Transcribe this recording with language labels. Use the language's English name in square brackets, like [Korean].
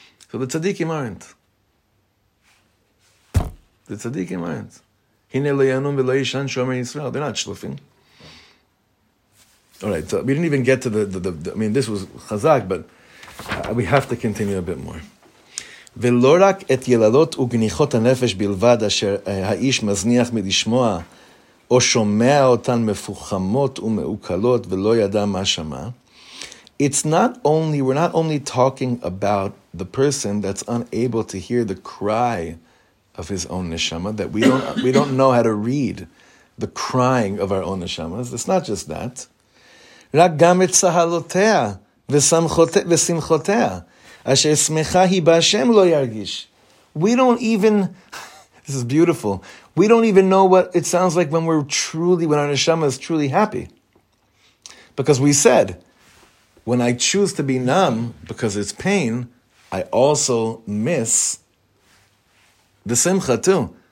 [English] So the tzaddikim aren't. The tzaddikim aren't. Hine le'yanum ve'le'yishan shomer Yisrael. They're not shluffing. All right, so we didn't even get to the I mean, this was chazak, but we have to continue a bit more. [Hebrew] ולא רק את יללות וגניחות הנפש בלבד אשר האיש מזניח מלשמוע או שומע אותן מפוחמות ומעוקלות ולא ידע מה שמע. [English] It's not only, we're not only talking about the person that's unable to hear the cry of his own neshama, that we don't know how to read the crying of our own neshamas. It's not just that. [Hebrew] רק גם את צהלותיה ושמחותיה. [English] We don't even, this is beautiful, we don't even know what it sounds like when we're truly, when our neshama is truly happy. Because we said, when I choose to be numb because it's pain, I also miss the simcha too.